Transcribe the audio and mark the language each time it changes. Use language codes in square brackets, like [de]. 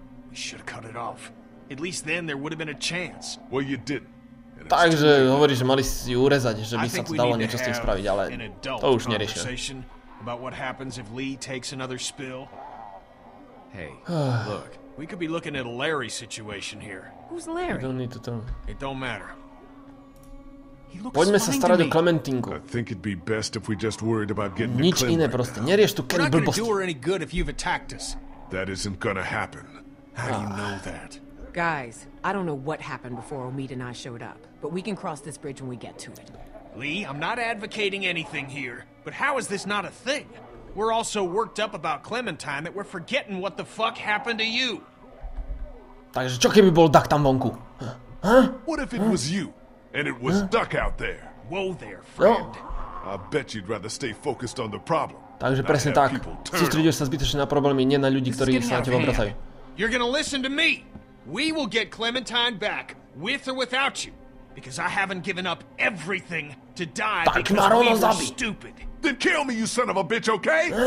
[en] We should have cut it off. At least then there would have been a chance. Well, you did. [sk] Takže hovorí, že mali si ju urezať, že by sa to dalo niečo s tým spraviť, ale to už neriešil. [en] About what happens if Lee takes another spill. Hey, look, we could be looking at a Larry situation here. Who's Larry? We don't need to tell. It don't matter. He looks fine to me. [sk] Poďme sa starať o Clementinku. [en] I think it'd be best if we just worried about getting to Clem. [sk] Nič iné proste, nerieš tu Kenny blbosti. [en] We're not gonna do her any good if you've attacked us. That isn't gonna happen. How do you know that? Guys, I don't know what happened before Omid and I showed up, but we can cross this bridge when we get to it. Lee, I'm not advocating anything here, but how is this not a thing? We're all so worked up about Clementine that we're forgetting what the fuck happened to you. [sk] Takže čo keby bol Duck tam vonku? [en] What if it was you, and it was Duck out there? Whoa there, friend. I bet you'd rather stay focused on the problem. [sk] Takže presne tak, sústredíš sa zbytočne na problémy, nie na ľudí, ktorí sa na teba obracajú. [en] You're gonna listen to me. We will get Clementine back, with or without you. Because I haven't given up everything to die because we were stupid. Then kill me, you son of a bitch, okay?